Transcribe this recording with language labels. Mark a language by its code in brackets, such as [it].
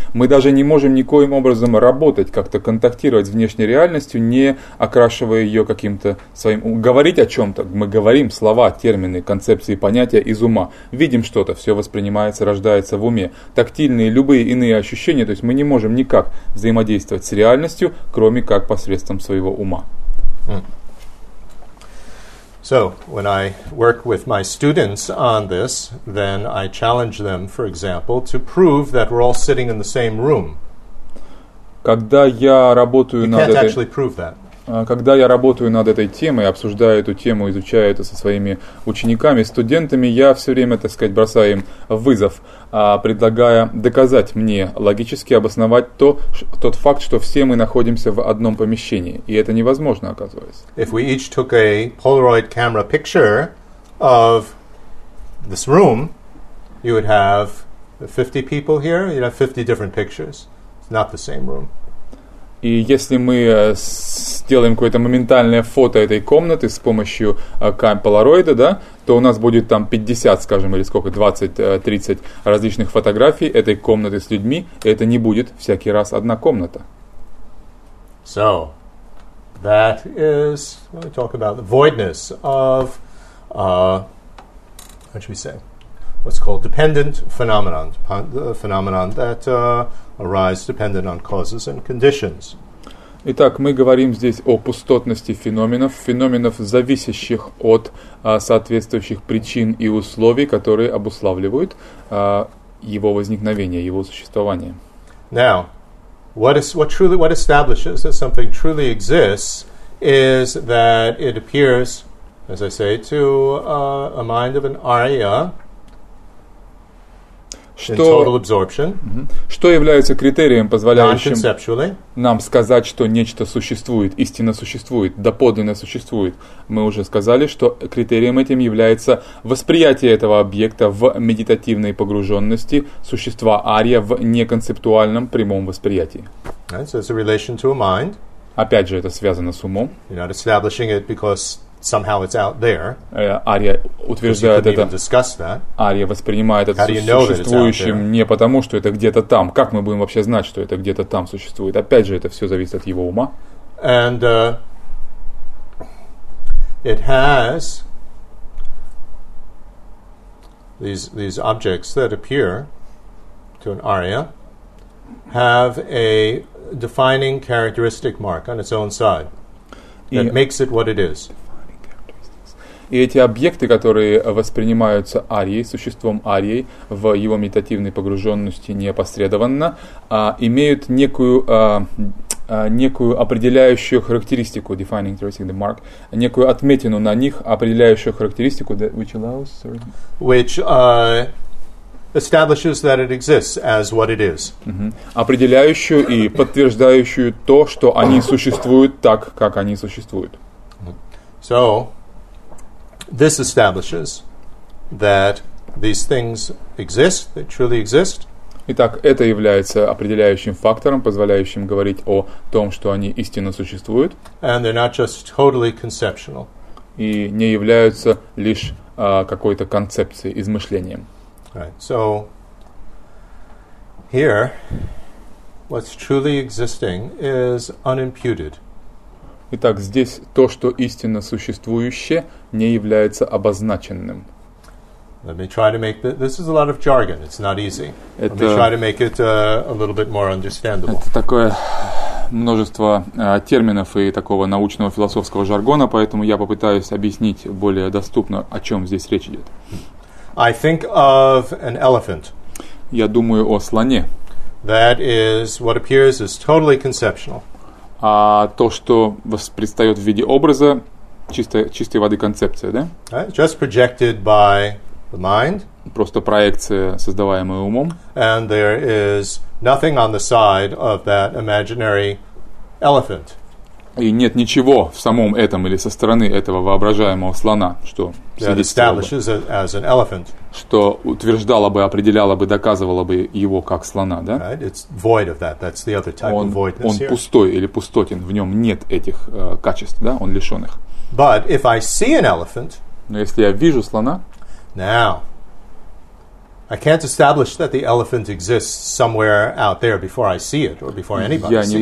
[ru] Мы даже не можем никоим образом работать, как-то контактировать с внешней реальностью, не окрашивая ее каким-то своим... Говорить о чем-то. Мы говорим слова, термины, концепции, понятия из ума. Видим что-то, все воспринимается, рождается в уме. Тактильные, любые иные ощущения. То есть мы не можем никак взаимодействовать с реальностью, кроме как посредством своего ума. [en] So, when I work with my students on this, then I challenge them, for example, to prove that we're all sitting in the same room. [ru] Когда я работаю над этой... [en] You can't actually prove that. [ru] Когда я работаю над этой темой, обсуждаю эту тему, изучаю это со своими учениками, студентами, я все время, так сказать, бросаю им вызов, предлагая доказать мне, логически обосновать тот факт, что все мы находимся в одном помещении. И это невозможно, оказывается. [en] If we each took a Polaroid camera picture of this room, you would have 50 people here, you'd have 50 different pictures. It's not the same room. [ru] И если мы сделаем какое-то моментальное фото этой комнаты с помощью полароида, да, то у нас будет там 50, скажем, или сколько, 20-30 различных фотографий этой комнаты с людьми. Это не будет всякий раз одна комната. [en] So, that is, when we talk about the voidness of, what's called dependent phenomenon, the phenomenon that arise dependent on causes and conditions. [ru] Итак, мы говорим здесь о пустотности феноменов, феноменов, зависящих от соответствующих причин и условий, которые обуславливают его возникновение, его существование. [en] Now, what establishes that something truly exists is that it appears, as I say, to a mind of an arya. [ru] Что, [en] in total absorption, [ru] что является критерием, позволяющим нам сказать, что нечто существует, истинно существует, доподлинно существует? Мы уже сказали, что критерием этим является восприятие этого объекта в медитативной погруженности существа Ария в неконцептуальном прямом восприятии. [en] Right, so it's a relation to a mind. [ru] Опять же, это связано с умом. [en] You're not establishing it because somehow it's out there. [ru] Ария утверждает это. Ария воспринимает это существующим не потому, что это где-то там. Как мы будем вообще знать, что это где-то там существует? Опять же, это все зависит от его ума. [en] And it has these objects that appear to an Arya have a defining characteristic mark on its own side that makes it what it is. [ru] И эти объекты, которые воспринимаются Арией, существом Арией, в его медитативной погруженности неопосредованно, имеют некую некую определяющую характеристику, [en] defining characteristic, the mark, [ru] некую отметину на них, определяющую характеристику, [en] that which allows, sorry. Which establishes that it exists as what it is. [ru] Определяющую и подтверждающую то, что они существуют так, как они существуют. [en] So, this establishes that these things exist, they truly exist. [ru] Итак, это является определяющим фактором, позволяющим говорить о том, что они истинно существуют. [en] And they're not just totally conceptual. [ru] И не являются лишь какой-то концепцией, измышлением. [en] Right. So, here, what's truly existing is unimputed. [ru] Итак, здесь то, что истинно существующее, не является обозначенным. [en] Let me try to make this is a lot of jargon. It's not easy. Let me try to make it a little bit more understandable. [ru] Это такое множество терминов и такого научного философского жаргона, поэтому я попытаюсь объяснить более доступно, о чем здесь речь идет. [en] I think of an elephant. [ru] Я думаю о слоне. [en] That is what appears is totally conceptual. [ru] А то, что предстает в виде образа, чистой воды концепция, да? [en] Right, just projected by the mind. [ru] Просто проекция, создаваемая умом. [en] And there is nothing on the side of that imaginary elephant. [ru] И нет ничего в самом этом или со стороны этого воображаемого слона, что [en] that establishes it as an elephant. [ru] Что утверждало бы, определяло бы, доказывало бы его как слона, да? [en] Right? It's void of that. That's the other type [ru] он, [en] of voidness [ru] он [en] here. [ru] Он пустой или пустотен, в нем нет этих качеств, да? Он лишен их. [en] But if I see an elephant, [ru] но если я вижу слона, [en] now, I can't establish that the elephant exists somewhere out there before I see it or before anybody sees it.